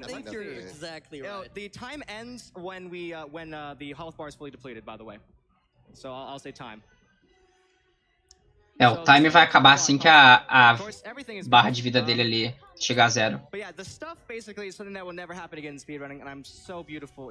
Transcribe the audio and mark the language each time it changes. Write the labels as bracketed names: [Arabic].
[English] The time ends when we the health bar is fully depleted, by the way. So I'll say time. [Portuguese] É, o time vai acabar assim que a barra de vida dele ali chegar a zero. [English] But yeah, the stuff basically is something that will never happen again in speedrunning, and I'm so beautiful.